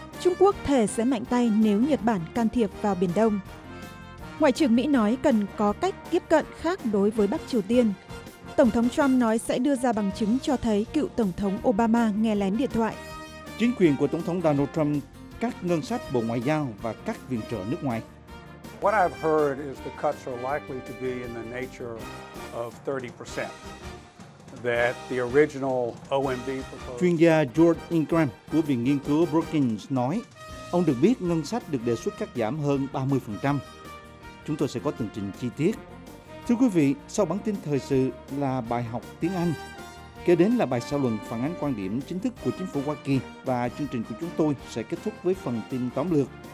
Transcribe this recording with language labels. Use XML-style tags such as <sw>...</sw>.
<vi>Trung Quốc thề sẽ mạnh tay nếu Nhật Bản can thiệp vào Biển Đông. Ngoại trưởng Mỹ nói cần có cách tiếp cận khác đối với Bắc Triều Tiên. Tổng thống Trump nói sẽ đưa ra bằng chứng cho thấy cựu Tổng thống Obama nghe lén điện thoại. Chính quyền của Tổng thống Donald Trump cắt ngân sách Bộ Ngoại giao và các viện trợ nước ngoài.</vi> <en>What I've heard is the cuts are likely to be in the nature of 30%. That the original OMB proposal.</en> <vi>Chuyên gia George Ingram của Viện Nghiên cứu Brookings nói, ông được biết ngân sách được đề xuất cắt giảm hơn 30%. Chúng tôi sẽ có tường trình chi tiết. Thưa quý vị, sau bản tin thời sự là bài học tiếng Anh. Kế đến là bài xã luận phản ánh quan điểm chính thức của chính phủ Hoa Kỳ và chương trình của chúng tôi sẽ kết thúc với phần tin tóm lược.</vi>